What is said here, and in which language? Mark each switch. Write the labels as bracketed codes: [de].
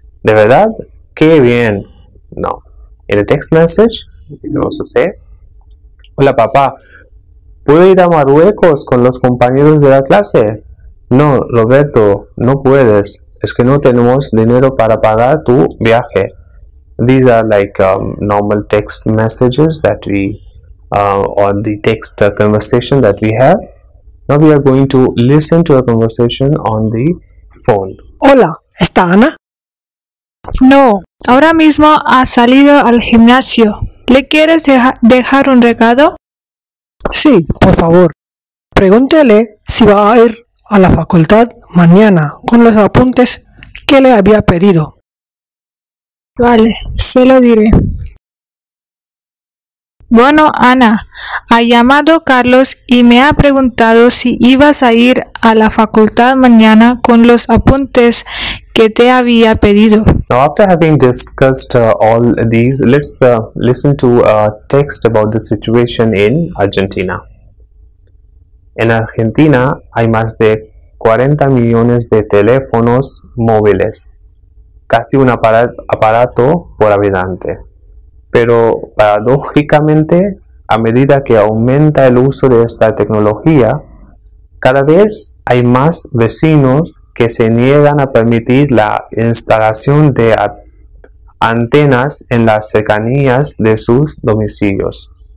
[es] ¿De verdad? ¡Qué bien! No. [en] In a text message, you also say, [es] Hola papá, ¿puedo ir a Marruecos con los compañeros de la clase? No, Roberto, no puedes. Es que no tenemos dinero para pagar tu viaje. [en] These are like normal text messages that we or the text conversation that we have. Now we are going to listen to a conversation on the phone. [es] Hola, ¿está Ana? No, ahora mismo ha salido al gimnasio. ¿Le quieres dejar un recado? Sí, por favor. Pregúntele si va a ir a la facultad mañana con los apuntes que le había pedido. Vale, se lo diré. Bueno, Ana, ha llamado Carlos y me ha preguntado si ibas a ir a la facultad mañana con los apuntes que te había pedido. [en] Now, after having discussed all these, let's listen to a text about the situation in Argentina. [es] En Argentina hay más de 40 millones de teléfonos móviles, casi un aparato por habitante. Pero paradójicamente, a medida que aumenta el uso de esta tecnología, cada vez hay más vecinos que se niegan a permitir la instalación de antenas en las cercanías de sus domicilios.